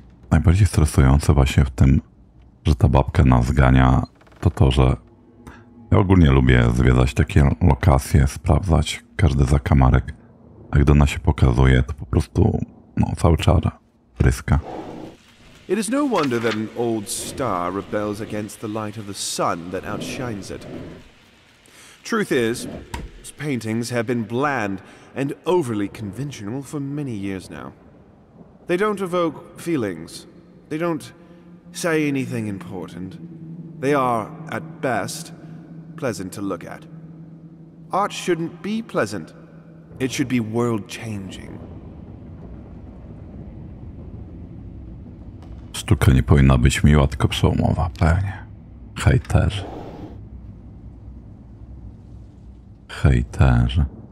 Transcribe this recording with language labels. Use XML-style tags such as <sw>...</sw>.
<pl>Najbardziej stresujące właśnie w tym, że ta babka nas zgania, to, że ja ogólnie lubię zwiedzać takie lokacje, sprawdzać każdy zakamarek, a gdy ona się pokazuje, to po prostu, no, cały czar pryska.</pl> <en>It is no wonder that an old star rebels against the light of the sun that outshines it. Truth is, its paintings have been bland and overly conventional for many years now. They don't evoke feelings. They don't say anything important. They are, at best, pleasant to look at. Art shouldn't be pleasant. It should be world-changing.</en> <pl>Sztuka nie powinna być miła, tylko przełomowa. Pewnie. Hejterzy. Hejterzy.</pl>